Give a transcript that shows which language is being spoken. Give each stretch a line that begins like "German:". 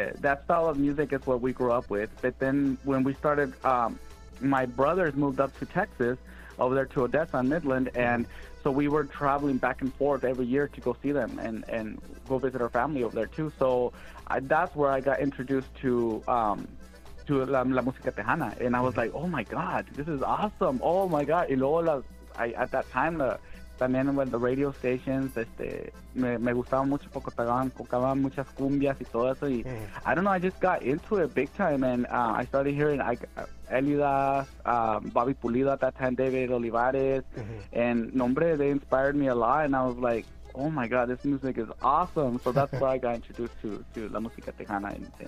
English: That style of music is what we grew up with. But then when we started, my brothers moved up to Texas, over there to Odessa and Midland, and so we were traveling back and forth every year to go see them and go visit our family over there too. So that's where I got introduced to la música tejana, and I was like, oh my god, this is awesome! Oh my god,
Spanish: y luego
English: at that time
Spanish: también
English: when the radio stations
Spanish: me gustaba mucho porque tocaban muchas cumbias y todo eso.
English: Y I don't know, I just got into it big time, and I started hearing Elidas, Bobby Pulido at that time, David Olivares, and nombre, they inspired me a lot, and I was like, oh my god, this music is awesome. So that's where I got introduced to la música tejana.